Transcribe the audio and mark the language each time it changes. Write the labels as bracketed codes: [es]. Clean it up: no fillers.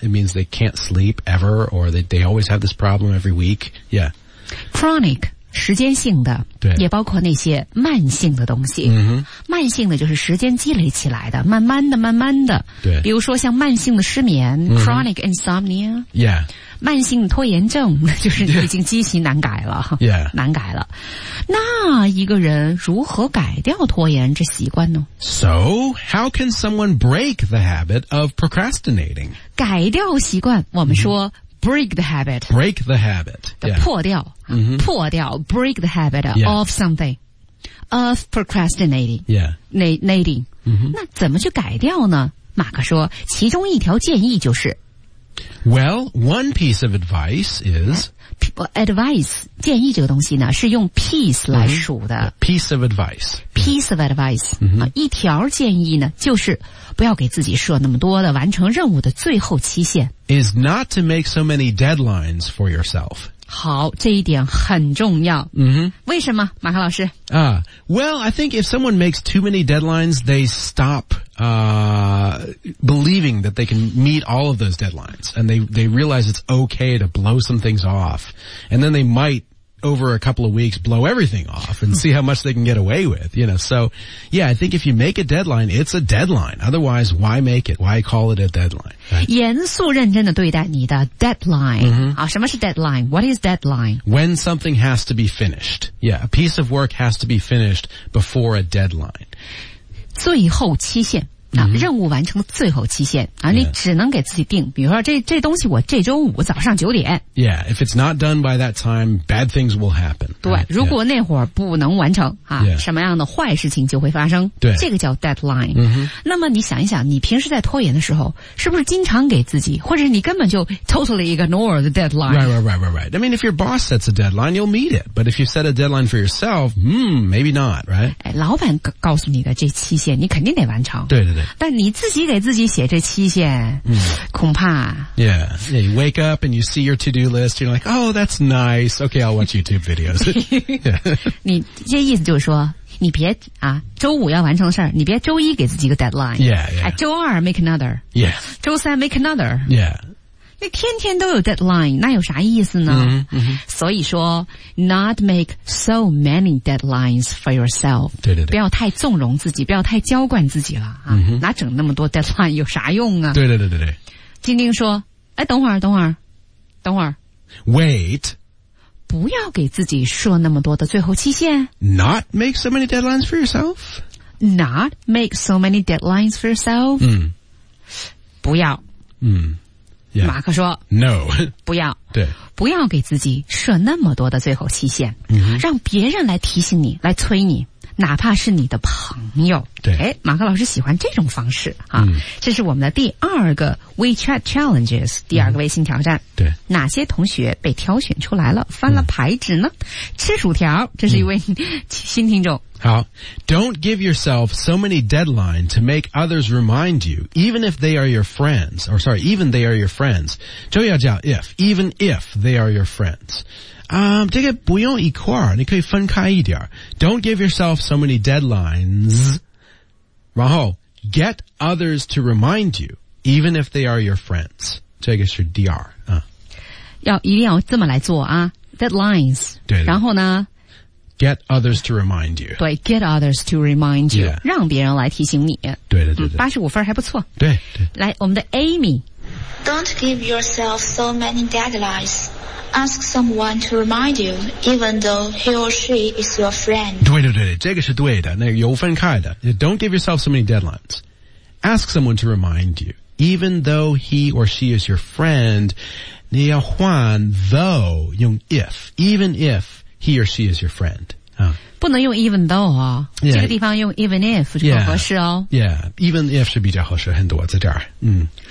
[en] It means they can't sleep ever or they always have this problem every week. Yeah. [zh] Chronic, 时间性的对也包括那些慢性的东西、 [en] mm-hmm. [zh] 慢性的就是时间积累起来的慢慢的慢慢的对比如说像慢性的失眠、 [en] mm-hmm. Chronic insomnia. Yeah. [zh] 慢性拖延症就是已经积习难改了、 [en] yeah. [zh] 难改了。那一个人如何改掉拖延这习惯呢 [en] So, how can someone break the habit of procrastinating? [zh] 改掉习惯我们说、mm-hmm. [en] Break the habit. Break the habit.、Yeah. [zh] 破掉、 [en] mm-hmm. [zh] 破掉 [en] break the habit、 yeah. of something. Of procrastinating. Yeah. Nating.、 Mm-hmm. [zh] 那怎么去改掉呢马克说其中一条建议就是 [en] Well, one piece of advice is... [zh] Advice, 建议这个东西呢是用 piece 来数的。 [en] Mm-hmm. Yeah, piece of advice. Piece of advice.、 Mm-hmm. [zh] 一条建议呢就是不要给自己设那么多的完成任务的最后期限。 [en] Is not to make so many deadlines for yourself. [zh] 好这一点很重要。 [en] Mm-hmm. [zh] 为什么马克老师、 [en] Well, I think if someone makes too many deadlines, they stop, believing that they can meet all of those deadlines. And they realize it's okay to blow some things off. And then they might, over a couple of weeks, blow everything off and see how much they can get away with, you know. So, yeah, I think if you make a deadline, it's a deadline. Otherwise, why make it? Why call it a deadline? [zh] Right. 严肃认真地对待你的 deadline、 [en] mm-hmm. [zh] 啊、什么是 deadline? [en] What is deadline? When something has to be finished. Yeah, a piece of work has to be finished before a deadline. [zh] 最后期限、啊 [en] mm-hmm. [zh] 任务完成最后期限、啊 [en] yeah. [zh] 你只能给自己定比如说 这东西我这周五早上九点 [en] Yeah, if it's not done by that time, bad things will happen. [zh] 对、 [en] right? [zh] 如果那会儿不能完成、啊 [en] yeah. [zh] 什么样的坏事情就会发生对这个叫 deadline、 [en] mm-hmm. [zh] 那么你想一想你平时在拖延的时候是不是经常给自己或者你根本就 [en] totally ignore the deadline? Right. I mean, if your boss sets a deadline, you'll meet it. But if you set a deadline for yourself, maybe not, right? [zh] 老板告诉你的这期限你肯定得完成对对对但你自己给自己写这期限、恐怕 [en] yeah you wake up and you see your to-do list you're like oh that's nice okay I'll watch YouTube videos [zh] 你这意思就是说你别啊，周五要完成的事你别周一给自己一个 deadline [en] yeah [zh] 周二 make another [en] yeah [zh] 周三 make another [en] yeah [zh] 你天天都有 deadline, 那有啥意思呢 [en] mm-hmm, mm-hmm. [zh] 所以说 [en] not make so many deadlines for yourself. [zh] 对对对。不要太纵容自己不要太娇惯自己了、啊 [en] mm-hmm. [zh] 哪整那么多 deadline 有啥用啊对对对对对。金丁说哎等会儿。 [en] Wait. [zh] 不要给自己设那么多的最后期限。 [en] Not make so many deadlines for yourself. Not make so many deadlines for yourself.、 Mm. [zh] 不要。 [en] 嗯、mm.。Yeah. [zh] 马克说 [en] No [zh] 不要对不要给自己设那么多的最后期限、 [en] mm-hmm. [zh] 让别人来提醒你来催你哪怕是你的朋友对马克老师喜欢这种方式、啊 [en] mm. [zh] 这是我们的第二个 WeChat Challenges 第二个微信挑战、mm. 对哪些同学被挑选出来了翻了牌纸呢、mm. 吃薯条这是一位、mm. 新听众 [en] 好 Don't give yourself so many deadlines to make others remind you, even if they are your friends, or sorry, even they are your friends. 周耀叫 if, even if they are your friends. [zh] 这个不用一块儿你可以分开一点。 [en] Don't give yourself so many deadlines. [zh] 然后 [en] get others to remind you, even if they are your friends. [zh] 这个是 DR, 要一定要这么来做啊 ,deadlines. 对, 对。然后呢 [en] get others to remind you. 对 ,get others to remind you,、 yeah. [zh] 让别人来提醒你。对对对对、嗯、,85 分还不错。对, 对来我们的 Amy。 [en] Don't give yourself so many deadlines. Ask someone to remind you, even though he or she is your friend. [zh] 对对对对这个是对的那个有分开的。 [en] Don't give yourself so many deadlines. Ask someone to remind you, even though he or she is your friend, [zh] 你要换 [en] though, [zh] 用 [en] if, even if,He or she is your friend.、 [zh] 不能用 [en] even though [zh] 啊、 [en] yeah. [zh] 这个地方用 even if 就更合适哦。 [en] Yeah. yeah, even if [zh] 是比较合适很多在这儿。嗯。